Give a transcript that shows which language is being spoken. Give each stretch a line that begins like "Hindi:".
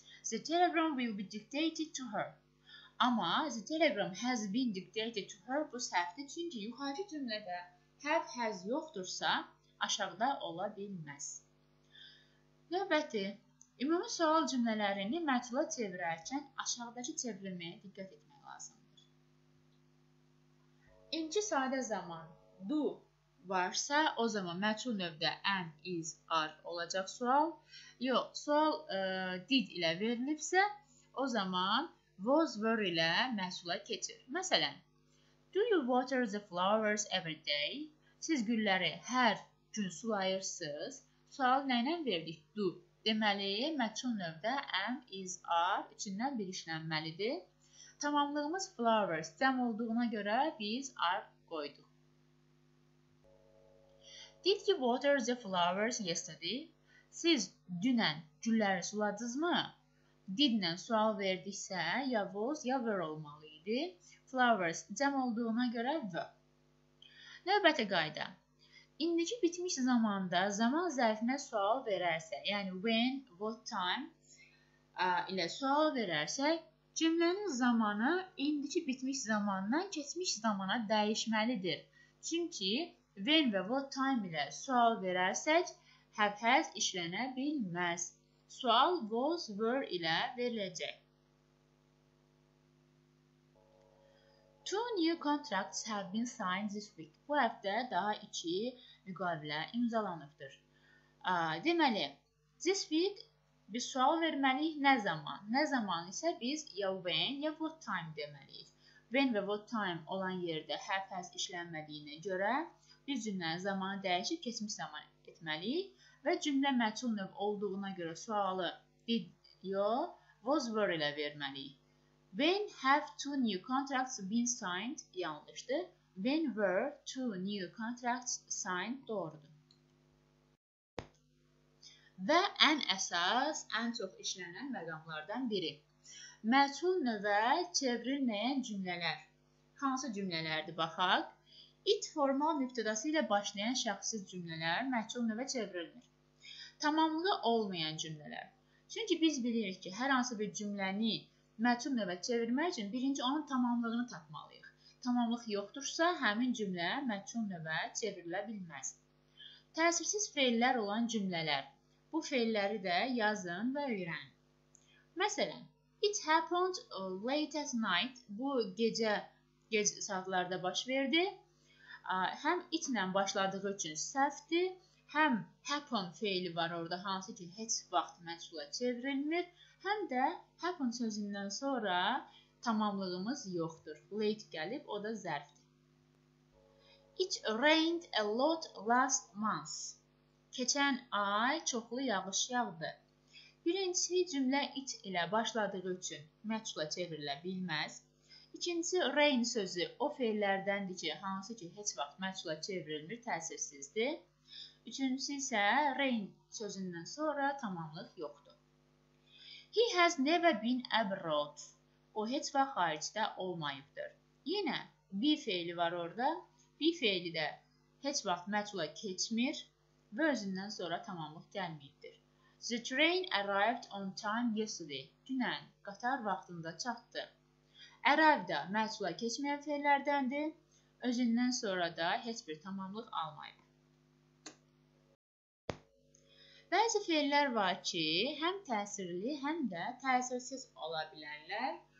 English: The telegram will be dictated to her. Amma the telegram has been dictated to her
Azerbaijani: bu səhvdir. Çünki yuxarı cümlədə have, has yoxdursa, aşağıda ola bilməz. Növbəti. Ümumi sual cümlələrini məcmuə çevirərkən aşağıdakı çevrilməyə diqqət etmək lazımdır. İnki sadə zaman do varsa, o zaman məcmuə növdə am, is, are olacaq sual. Yox, sual did ilə verilibsə, o zaman was, were ilə məcmuə keçir. Məsələn,
English: do you water the flowers every day?
Azerbaijani: Siz gülləri hər gün sulayırsınız. Sual nə ilə verdik? Do. Deməli, məcmuə növdə am, is, are içindən bir işlənməlidir. Tamamlığımız flowers cəm olduğuna görə biz are qoyduq.
English: Did you water the flowers yesterday?
Azerbaijani: Siz dünən gülləri suladınızmı? Did ilə sual verdiksə, ya was, ya were olmalı idi. Flowers cəm olduğuna görə were. Növbəti qayda. İndiki bitmiş zamanda zaman zərfinə sual verərsə, yəni when, what time ilə sual verərsə, cümlənin zamanı indiki bitmiş zamandan keçmiş zamana dəyişməlidir. Çünki when və what time ilə sual verərsək, həbhəz işlənə bilməz. Sual was, were ilə veriləcək.
English: Two new contracts have been signed this week.
Azerbaijani: Bu həftə daha iki müqavilə imzalanıbdır. Deməli, this week bir sual verməliyik nə zaman? Nə zaman isə biz ya when, ya what time deməliyik. When və what time olan yerdə həbhəz işlənmədiyinə görə bir cümlə zamanı dəyişib keçmiş zaman etməliyik və cümlə məcmuə növ olduğuna görə sualı did, yox, was, were ilə verməliyik.
English: When have two new contracts been signed?
Azerbaijani: Yanlışdır.
English: When were two new contracts signed?
Azerbaijani: Doğrudur. Və ən əsas, ən çox işlənən məqamlardan biri. Məcmuə növə çevrilməyən cümlələr. Hansı cümlələrdir? Baxaq. It formal mübtədası ilə başlayan şəxsiz cümlələr məcmuə növə çevrilmir. Tamamlığı olmayan cümlələr. Çünki biz bilirik ki, hər hansı bir cümləni məcmuə növə çevirmək üçün birinci onun tamamlığını tapmalıyıq. Tamamlıq yoxdursa, həmin cümlə məcmuə növə çevrilə bilməz. Təsirsiz feillər olan cümlələr. Bu feilləri də yazın və öyrənin. Məsələn,
English: it happened late at night.
Azerbaijani: Bu gecə, gec saatlarda baş verdi. Həm it ilə başladığı üçün səhvdir, həm happen feili var orada, hansı ki, heç vaxt məcmuə çevrilmir. Həm də happen sözündən sonra tamamlığımız yoxdur. Late gəlib, o da zərfdir.
English: It rained a lot last month.
Azerbaijani: Keçən ay çoxlu yağış yağdı. Birincisi, cümlə it ilə başladığı üçün məcmuə çevrilə bilməz. İkincisi, rain sözü o feillərdəndir ki, hansı ki, heç vaxt məcmuə çevrilmir, təsirsizdir. Üçüncüsü isə rain sözündən sonra tamamlıq yoxdur.
English: He has never been abroad.
Azerbaijani: O, heç vaxt xaricdə olmayıbdır. Yenə, be feili var orada. Be feili də heç vaxt məcmuə keçmir və özündən sonra tamamlıq gəlməyibdir.
English: The train arrived on time yesterday.
Azerbaijani: Dünən qatar vaxtında çatdı. Arrived da məcmuə keçməyən feillərdəndir. Özündən sonra da heç bir tamamlıq almayıb. Bəzi feillər var ki, həm təsirli, həm də təsirsiz ola bilərlər.